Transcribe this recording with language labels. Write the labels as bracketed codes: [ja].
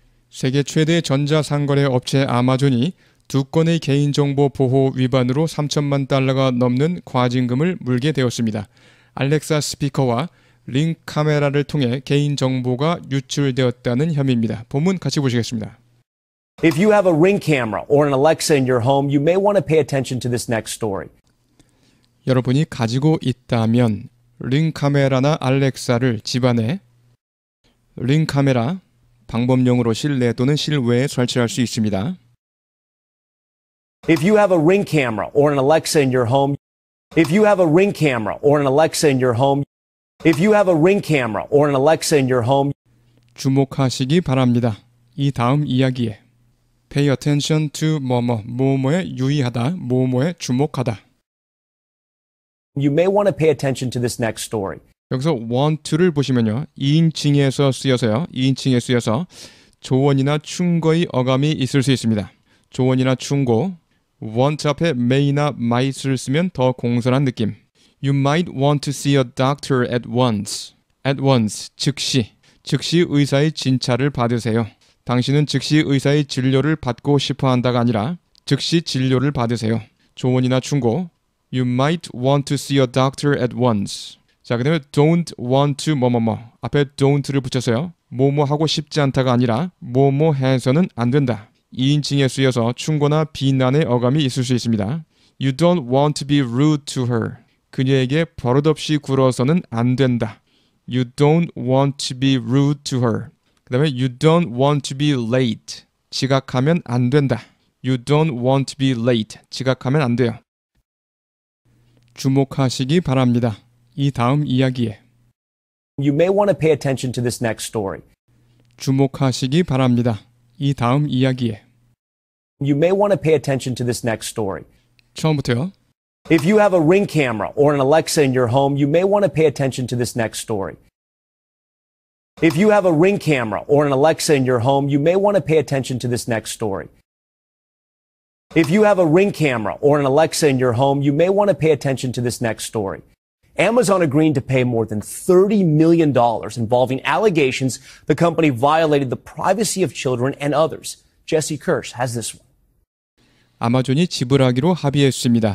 [ko] 세계 최대 전자상거래 업체 아마존이 두 건의 개인정보 보호 위반으로 3천만 달러가 넘는 과징금을 물게 되었습니다. 알렉사 스피커와 링카메라를 통해 개인정보가 유출되었다는 혐의입니다. 본문 같이 보시겠습니다. [en] If you have a Ring camera or an Alexa in your home, you may want to pay attention to this next story. [ko] 여러분이 가지고 있다면 링카메라나 알렉사를 집안에 링카메라 방범용으로 실내 또는 실외에 설치할 수 있습니다. [en] If you have a Ring camera or an Alexa in your home, if you have a Ring camera or an Alexa in your home, if you have a Ring camera or an Alexa in your home, [ko] 주목하시기 바랍니다. 이 다음 이야기에 [en] pay attention to [ko] 뭐뭐 뭐뭐에 유의하다 뭐뭐에 주목하다. [en] You may want to pay attention to this next story. [ko] 여기서 want to를 보시면요, 2인칭에서 쓰여서요, 2인칭에 쓰여서 조언이나 충고의 어감이 있을 수 있습니다. 조언이나 충고, want 앞에 may나 might을 쓰면 더 공손한 느낌. [en] You might want to see a doctor at once. [ko] At once, 즉시, 즉시 의사의 진찰을 받으세요. 당신은 즉시 의사의 진료를 받고 싶어한다가 아니라 즉시 진료를 받으세요. 조언이나 충고, [en] You might want to see a doctor at once. [ko] 자, 그 다음에 don't want to 뭐뭐뭐. 앞에 don't를 붙여서요. 뭐뭐 하고 싶지 않다가 아니라 뭐뭐 해서는 안 된다. 2인칭에 쓰여서 충고나 비난의 어감이 있을 수 있습니다. [en] You don't want to be rude to her. [ko] 그녀에게 버릇없이 굴어서는 안 된다. [en] You don't want to be rude to her. [ko] 그 다음에 [en] you don't want to be late. [ko] 지각하면 안 된다. [en] You don't want to be late. [ko] 지각하면 안 돼요. 주목하시기 바랍니다. 이 다음 이야기에 [en] You may want to pay attention to this next story. [ko] 주목하시기 바랍니다. 이 다음 이야기에 [en] You may want to pay attention to this next story. [ko] 처음부터요. [en] If you have a Ring camera or an Alexa in your home, you may want to pay attention to this next story. If you have a Ring camera or an Alexa in your home, you may want to pay attention to this next story. If you have a Ring camera or an Alexa in your home, you may want to pay attention to this next story. Amazon agreeing to pay more than $30 million involving allegations the company violated the privacy of children and others. Jesse Kirsch has this one. [ko] 아마존이 지불하기로 합의했습니다.